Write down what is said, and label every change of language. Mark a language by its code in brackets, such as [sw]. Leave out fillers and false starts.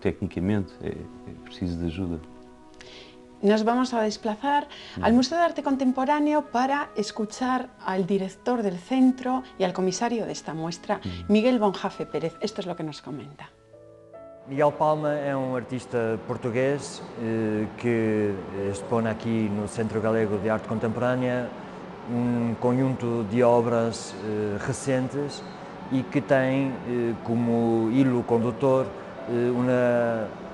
[pt] Tecnicamente, é preciso de ajuda. [es] Nos vamos a desplazar al Museo de Arte Contemporáneo para escuchar al director del centro y al comisario de esta muestra, Miguel Bonjafe Pérez. Esto es lo que nos comenta. [pt] Miguel Palma é um artista português que expõe aqui no Centro Galego de Arte Contemporânea um conjunto de obras recentes e que tem como hilo condutor uma